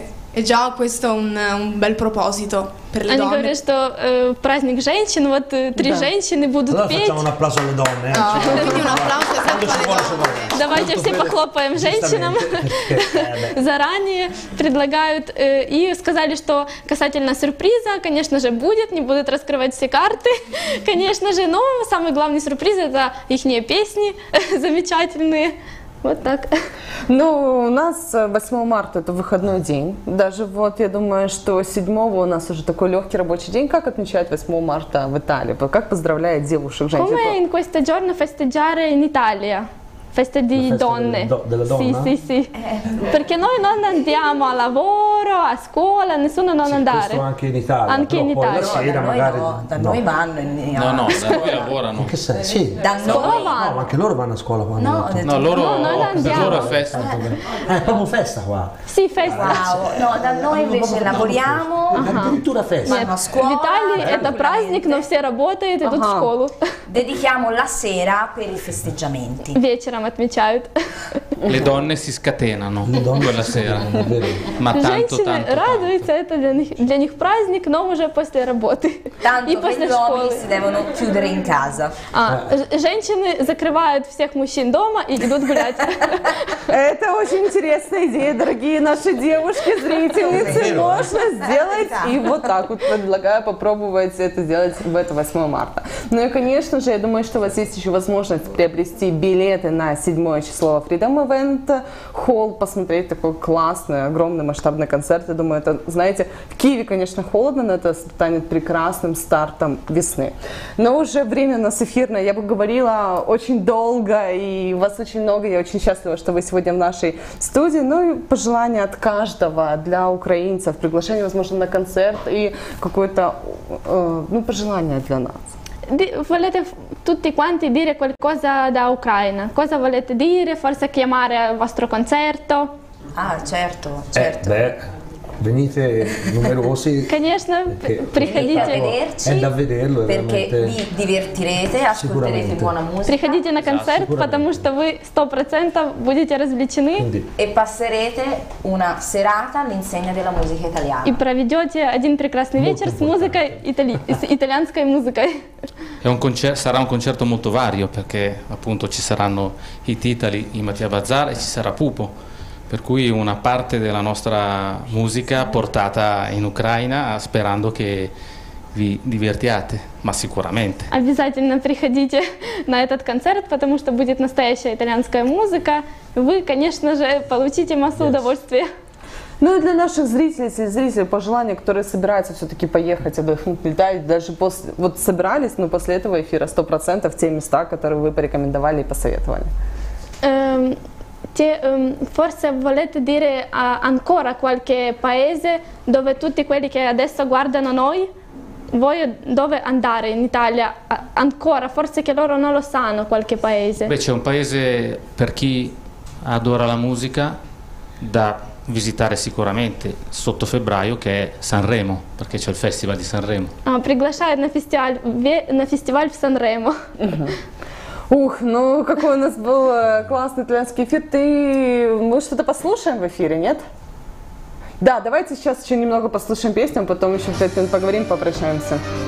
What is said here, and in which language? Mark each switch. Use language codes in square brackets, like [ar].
[it] E già questo è un bel proposito per le [ru] Они [it] donne. [ru] Говорят, что праздник женщин, вот три женщины будут [it] allora [ru] петь. [it] Facciamo un applauso alle donne. Quindi un applauso alle donne. [ru] Давайте все похлопаем женщинам. Заранее предлагают. И сказали, что касательно сюрприза, конечно же, будет. Не будут раскрывать все карты, конечно же. Но самый главный сюрприз – это их песни замечательные. Вот так. Ну, у нас 8 марта – это выходной день. Даже вот, я думаю, что 7-го у нас уже такой легкий рабочий день. Как отмечают 8 марта в Италии? Как поздравляют девушек, женщин? [it] Come in questo giorno festeggiare in Italia? Feste di donne. Della donna? Sì, sì, sì. Perché noi non andiamo a lavoro, a scuola, nessuno non andare. Questo anche in Italia. Anche in Italia. Però da magari, noi vanno in Italia. No, da noi lavorano. In che senso? Sì. Da scuola vanno. No, ma anche loro vanno a scuola quando No, loro, no, noi andiamo. Loro è festa. È proprio festa qua. Sì, festa. Wow. No, da noi invece lavoriamo. Addirittura festa. Vanno a scuola. In Italia è da [ru] праздник, но все работают, идут в школу. [it] Dedichiamo la sera per i festeggiamenti. [ru] Вечером. Отмечают. [it] Le donne si scatenano quella sera. Ma tanto, tanto. [ru] Радуются, это для них праздник, но уже после работы. И после школы. [it] Si devono chiudere in casa. [ru] Женщины закрывают всех мужчин дома и идут гулять. Это очень интересная идея, дорогие наши девушки, зрительницы. Можно сделать и вот так вот. Предлагаю попробовать это сделать в это 8 марта. Ну и, конечно же, я думаю, что у вас есть еще возможность приобрести билеты на 7 число Freedom Event Hall, посмотреть такой классный, огромный, масштабный концерт. Я думаю, это, знаете, в Киеве, конечно, холодно, но это станет прекрасным стартом весны. Но уже время у нас эфирное. Я бы говорила очень долго, и вас очень много. Я очень счастлива, что вы сегодня в нашей студии. Ну и пожелания от каждого для украинцев, приглашение, возможно, на концерт и какое-то пожелание для нас. [it] Volete tutti quanti dire qualcosa da Ucraina? Cosa volete dire? Forse chiamare al vostro concerto? Ah, certo, certo. Venite numerosi. [ru] Конечно, приходите. [it] È da vederlo, perché vi divertirete, ascolterete buona musica. [ru] Приходите на концерт, потому что вы 100% будете развлечены. [it] E passerete una serata all'insegna della musica italiana. [ru] И проведете один прекрасный вечер с музыкой с итальянской музыкой. [it] Sarà un concerto molto vario, perché appunto ci saranno i Titali, i Mattia Bazzara e ci sarà Pupo. Per cui una parte della nostra musica portata in Ucraina, sperando che vi divertiate, ma sicuramente. [ru] Обязательно приходите на этот концерт, потому что будет настоящая итальянская музыка. Вы, конечно же, получите массу удовольствия. Ну и для наших зрителей, пожелания, которые собираются все-таки поехать отдохнуть, летать, даже после, вот собирались, но после этого эфира 100% те места, которые вы порекомендовали и посоветовали. [it] Те, forse volete dire ancora qualche paese dove tutti quelli che adesso guardano noi, voi dove andare in Italia ancora, forse che loro non lo sanno qualche paese. Beh, c'è un paese per chi adora la musica da visitare sicuramente sotto febbraio, che è Sanremo, perché c'è il festival di Sanremo. [ru] Ah, приглашаю на фестиваль в Санремо. Ух, ну какой у нас был классный итальянский эфир. Ты, мы что-то послушаем в эфире, нет? Да, давайте сейчас еще немного послушаем песню, потом еще 5 минут поговорим, попрощаемся.